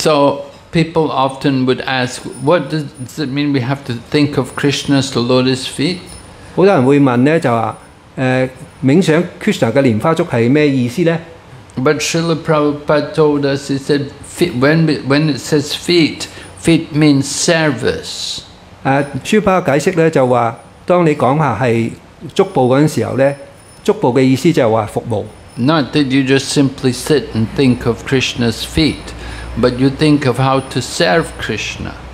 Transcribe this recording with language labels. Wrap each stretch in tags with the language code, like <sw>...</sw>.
<en>So people often would ask, what does it mean we have to think of Krishna's lotus feet?</en> <zh>很多人會問,冥想 Krishna的蓮花足是什麼意思呢?</zh> <en>But Srila Prabhupada told us, he said, when it says feet, feet means service.</en> <zh>書巴解釋就說,當你說是足部的時候,足部的意思就是服務。</zh> <en>Not that you just simply sit and think of Krishna's feet, but you think of how to serve Krishna.</en>